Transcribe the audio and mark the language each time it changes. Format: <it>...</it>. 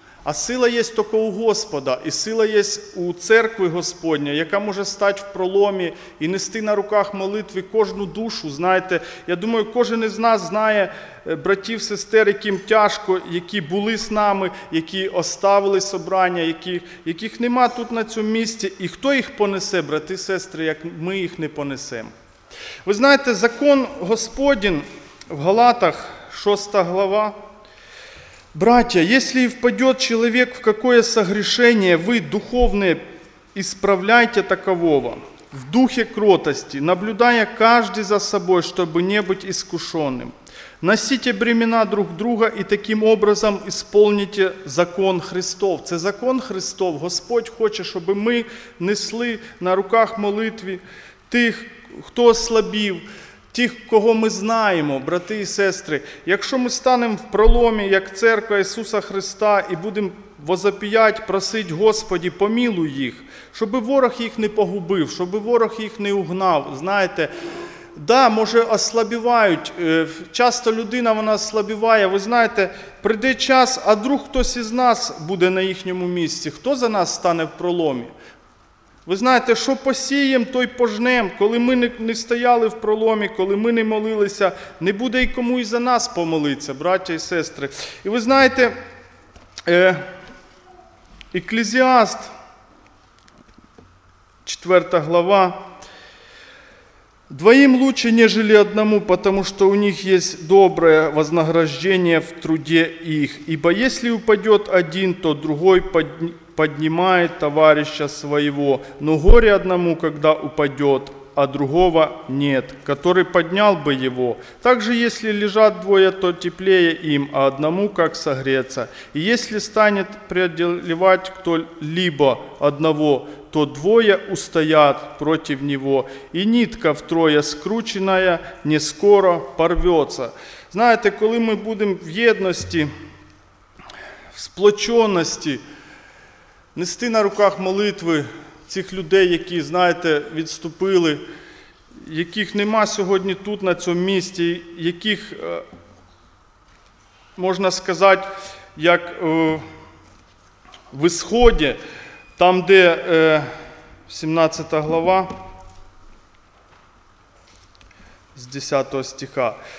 <uk>А сила є тільки у Господа, і сила є у церкви Господня, яка може стати в проломі і нести на руках молитви кожну душу, знаєте. Я думаю, кожен із нас знає братів, сестер, яким тяжко, які були з нами, які оставили собрання, яких нема тут на цьому місці. І хто їх понесе, брати, сестри, як ми їх не понесемо? Ви знаєте, закон Господень в Галатах, 6 глава,</uk> <ru>«Братья, если и впадет человек в какое согрешение, вы, духовные, исправляйте такового в духе кротости, наблюдая каждый за собой, чтобы не быть искушенным. Носите бремена друг друга и таким образом исполните закон Христов».</ru> <uk>Це закон Христов. Господь хоче, щоб ми несли на руках молитві тих, хто ослабів, тих, кого ми знаємо, брати і сестри. Якщо ми станемо в проломі, як церква Ісуса Христа, і будемо возоп'ять, просити Господі, помілуй їх, щоб ворог їх не погубив, щоб ворог їх не угнав. Знаєте, да, може, ослабівають. Часто людина, вона ослабіває. Ви знаєте, прийде час, а вдруг хтось із нас буде на їхньому місці. Хто за нас стане в проломі? Ви знаєте, що посіємо, то й пожнем. Коли ми не стояли в проломі, коли ми не молилися, не буде й кому і за нас помолитися, браття і сестри. І ви знаєте, Екклезіаст, 4 глава,</uk> <ru>«Двоїм лучше, нежели одному, потому что у них есть доброе вознаграждение в труде их. Ибо если упадет один, то другой поднимает товарища своего. Но горе одному, когда упадет, а другого нет, который поднял бы его. Также, если лежат двое, то теплее им, а одному как согреться. И если станет преодолевать кто-либо одного, то двое устоят против него, и нитка втрое скрученная не скоро порвется».</ru> <uk>Знаєте, коли ми будемо в єдності, в сплоченості, нести на руках молитви цих людей, які, знаєте, відступили, яких нема сьогодні тут, на цьому місці, яких, можна сказати, як в Ісході, там, де 17 глава, з 10 стиха.</uk>